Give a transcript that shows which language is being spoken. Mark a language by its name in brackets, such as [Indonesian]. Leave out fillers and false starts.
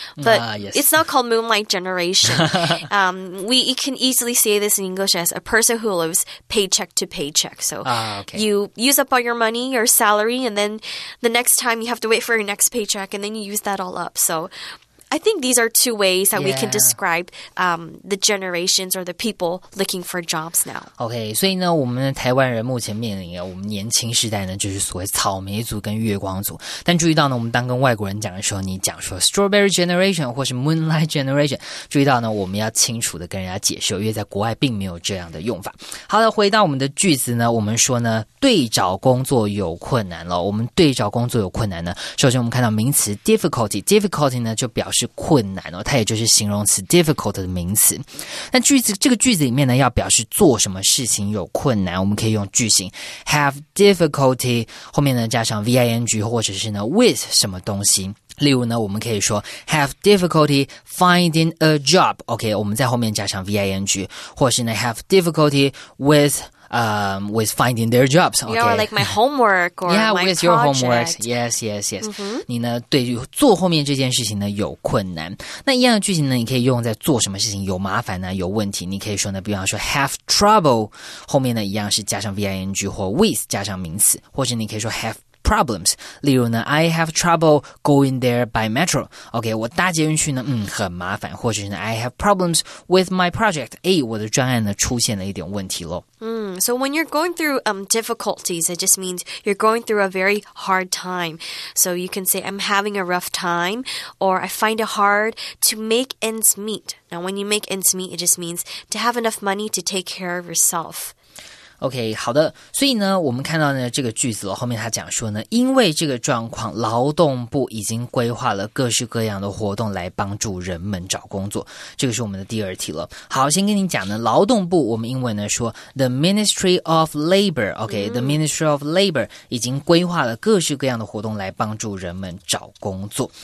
[English] But it's not called moonlight generation. We can easily say this in English as a person who lives paycheck to paycheck. So you use up all your money, your salary, and then the next time you have to wait for your next paycheck, and then you use that all up. So I think these are two ways that we can describe the generations or the people looking for jobs now. [Chinese] Okay, 所以呢我们台湾人目前面临我们年轻时代呢就是所谓草莓族跟月光族。但注意到呢我们当跟外国人讲的时候，你讲说 strawberry generation 或是 moonlight generation, 注意到呢我们要清楚的跟人家解释，因为在国外并没有这样的用法。好的，回到我们的句子呢，我们说呢对找工作有困难了。我们对找工作有困难呢，首先我们看到名词 difficulty 呢就表示是困难哦，它也就是形容词 difficult 的名词。那句子这个句子里面呢，要表示做什么事情有困难，我们可以用句型 have difficulty 后面呢加上 ving 或者是呢 with 什么东西。例如呢，我们可以说 [English] have difficulty finding a job。 [Chinese] OK， 我们在后面加上 ving， 或是呢 have difficulty with。 [English] With finding their jobs. Okay. Yeah, like my homework or my Yeah, with your homework. Yes, yes, yes. [Chinese] 你呢，对于做后面这件事情呢，有困难。那一样的句型呢，你可以用在做什么事情有麻烦呢，有问题。你可以说呢，比方说 have trouble， 后面呢，一样是加上 ving 或 with 加上名词，或者你可以说 have problems。例如呢 [English] ，I have trouble going there by metro. [Chinese] Okay, 我搭捷运去呢，很麻烦。或者是呢 [English] I have problems with my project. [Chinese] 哎，我的专案呢，出现了一点问题喽。 [English] So when you're going through difficulties, it just means you're going through a very hard time. So you can say, I'm having a rough time, or I find it hard to make ends meet. Now, when you make ends meet, it just means to have enough money to take care of yourself. [Chinese] OK, 好的，所以呢我们看到呢这个句子后面他讲说呢，因为这个状况劳动部已经规划了各式各样的活动来帮助人们找工作，这个是我们的第二题了。好，先跟你讲呢，劳动部我们英文呢说 The Ministry of Labor, OK, The Ministry of Labor 已经规划了各式各样的活动来帮助人们找工作。